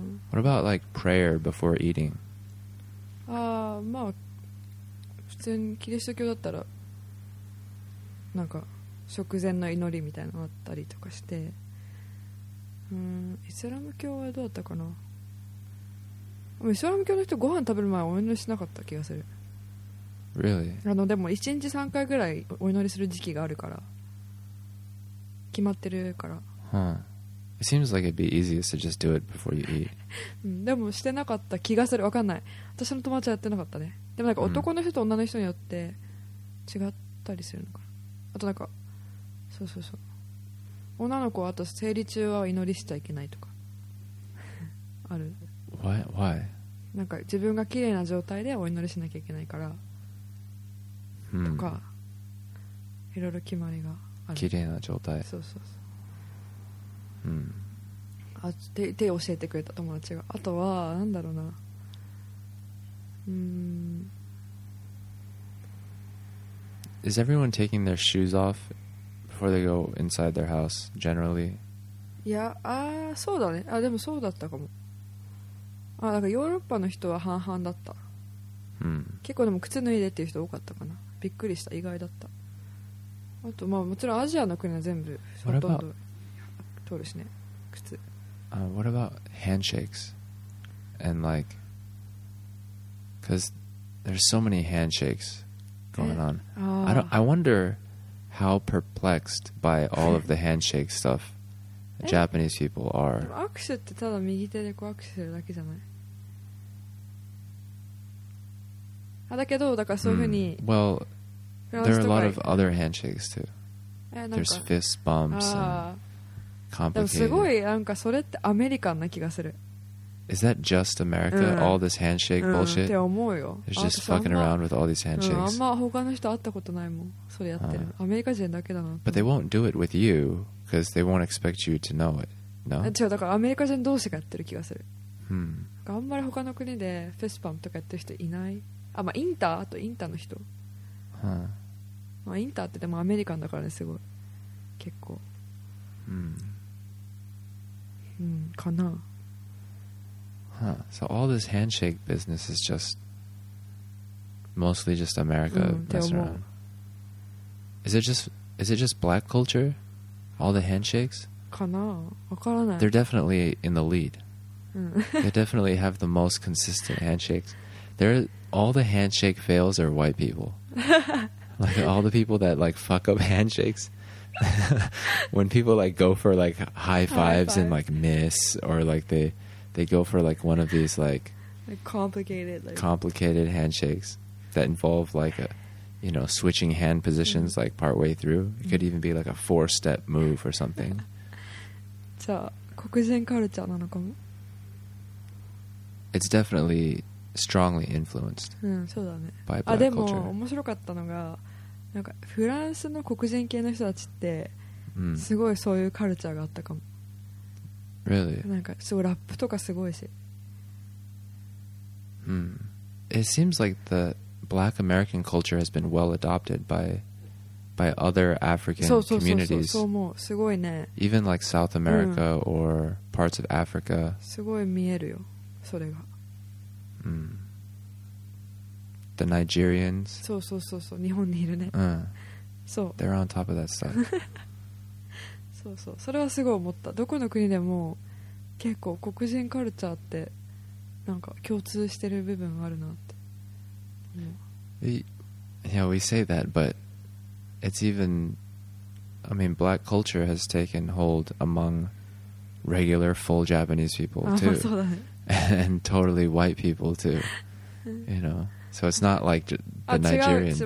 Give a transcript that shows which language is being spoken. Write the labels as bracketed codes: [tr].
[en] What about like prayer before eating? [ja] ああ、まあ、普通にキリスト教だったら、なんか食前の祈りみたいなのあったりとかして、イスラム教はどうだったかな？イスラム教の人ご飯食べる前お祈りしなかった気がする。 [en] Really? [ja] あのでも1日3回ぐらいお祈りする時期があるから決まってるから。 [en] Huh. It seems like it'd be easiest to just do it before you eat. [ja] でもしてなかった気がする。わかんない。私の友達はやってなかったね。でもなんか男の人と女の人によって違ったりするのかな。あとなんかそうそうそう。女の子はあと生理中は祈りしちゃいけないとかある。 [en] What? Why? [ja] なんか自分が綺麗な状態でお祈りしなきゃいけないから、 hmm. とかいろいろ決まりがある。綺麗な状態。そうそうそう。 Hmm. あ、手教えてくれた友達が。あとはなんだろうな。 [en] Is everyone taking their shoes off before they go inside their house generally? [ja] いや、あ、そうだね。あ、でもそうだったかも。あ、なんかヨーロッパの人は半々だった、うん、結構でも靴脱いでっていう人多かったかな。びっくりした。意外だった。あとまあもちろんアジアの国は全部ほとんど通るしね靴。 [en] What about handshakes? And like because there's so many handshakes going on. I wonder how perplexed by all of the handshake stuff Japanese people are. [ja] 握手ってただ右手でこう握手するだけじゃない。だけどだからそういうふうに、mm. [en] Well, there are a lot of other handshakes too. There's fist bumps and complicated. [ja] でもすごいなんかそれってアメリカンな気がする。 [en] Is that just America? All this handshake bullshit? [ja] って思うよ。 [en] It's just fucking around with all these handshakes. [ja] あんま他の人会ったことないもん。それやってる。アメリカ人だけだな。 [en] But they won't do it with you because they won't expect you to know it. No. [ja] 違うだからアメリカ人同士がやってる気がする。うん。あんまり他の国でフィスバンプとかやってる人いない。あ、まあ、インターあとインターの人、 huh. まあ、インターってでもアメリカンだからねすごい結構、 hmm. うんかな、 huh. [en] So all this handshake business is just mostly just America、 [ja] うん、 [en] messing around. Is it just black culture? All the handshakes? [ja] かな、わからない。 [en] They're definitely in the lead、 [ja] うん、 [en] They definitely have the most consistent handshakes. They'reAll the handshake fails are white people. Like all the people that like fuck up handshakes. When people like go for like high fives and like miss or like they go for like one of these like complicated handshakes that involve like a, you know, switching hand positions、mm-hmm. like partway through. It could even be like a four-step move or something. [ja] So, 黒人カルチャーなのかも? [en] It's definitely... strongly influenced、 [ja] うん、そうだね、 [en] by black culture. [ja] あ、でも面白かったのがなんかフランスの黒人系の人たちってすごいそういうカルチャーがあったかも、 [en] really? [ja] なんかすごいラップとかすごいし、 [en] It seems like the black American culture has been well adopted by other African communities. [ja] そうそうそう、そう思う。すごいね。 [en] Even like South America、うん、or parts of Africa. [ja] すごい見えるよそれが。 [en] The Nigerians. [ja] そうそうそうそう、日本にいるね。うん。そう。 [en] They're on top of that stuff. [ja] そうそう、それはすごい思った。どこの国でも結構黒人カルチャーってなんか共通してる部分あるなって。 [en] Yeah, we say that, but it's even, I mean, black culture has taken hold among regular full Japanese people too. [ja] そうだね。 [en] And totally white people too, you know. So it's not like the Nigerian.